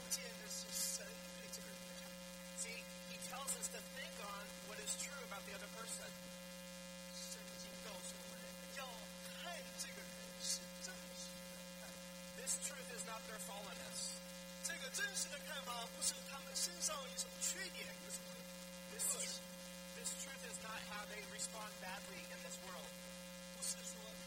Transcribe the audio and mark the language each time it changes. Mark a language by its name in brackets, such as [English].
[Chinese] 不见得是神对这个人的看法 [English] See, he tells us to think on what is true about the other person. [Chinese] 圣经告诉我们要看这个人是真实的看法 [English] This truth is not their fallenness. [Chinese] 这个真实的看法不是他们身上有什么缺点，有什么问题 [English] This truth is not how they respond badly in this world.